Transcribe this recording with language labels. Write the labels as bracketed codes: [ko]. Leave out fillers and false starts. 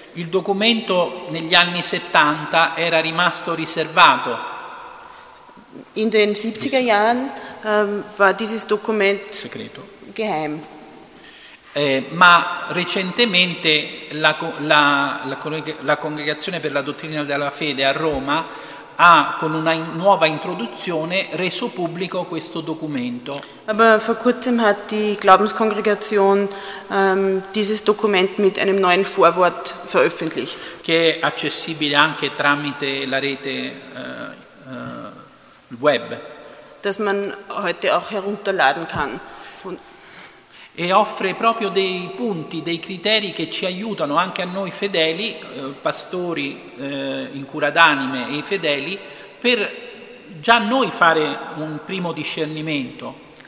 [it] Il documento negli anni 70 era rimasto riservato. [de] In den 70er Jahren war dieses Dokument [it] segreto. [de] Geheim. [it] Ma recentemente la Congregazione per la Dottrina della Fede a Roma ha, con una nuova introduzione, reso pubblico questo documento. [de] Aber vor kurzem hat die Glaubenskongregation dieses Dokument mit einem neuen Vorwort veröffentlicht. [it] Che è accessibile anche tramite la rete web, [de] das man heute auch herunterladen kann. [it] E offre proprio dei punti, dei criteri che ci aiutano anche a noi fedeli, pastori in cura d'anime e i fedeli, per già noi fare un primo discernimento.